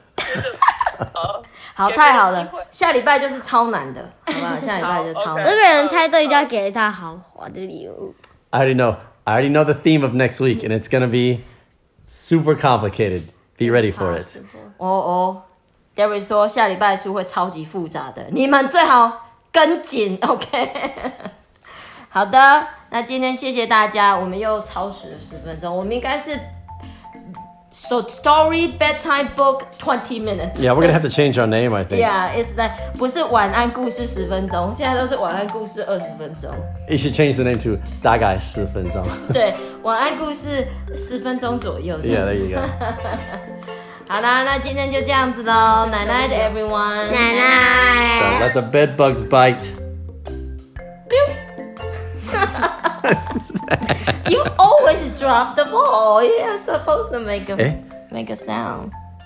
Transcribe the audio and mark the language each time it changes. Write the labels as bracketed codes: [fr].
[zh] 没有，因为太简单了，我就觉得好，太好了，下礼拜就是超难的，好吧？下礼拜就超难。这个人猜对就要给他豪华的礼物。 [en] I already know the theme of next week, and it's gonna be super complicated. Be ready for it. [zh] 哦哦 ，Gary 说下礼拜书会超级复杂的，你们最好跟紧 ，OK？好的，那今天谢谢大家，我们又超时了十分钟，我们应该是。 [en] So story bedtime book 20 minutes. Yeah, we're gonna have to change our name, I think. Yeah, it's that [zh] 不是晚安故事十分钟，现在都是晚安故事二十分钟。 [en] You should change the name to [zh] 大概十分钟。对，晚安故事十分钟左右。 [en] Yeah, there you go. [zh] 好啦，那今天就这样子喽。奶奶 [en] to everyone. 奶奶。 Don't let the bed bugs bite. Pew. You always drop the ball. You're supposed to make a sound.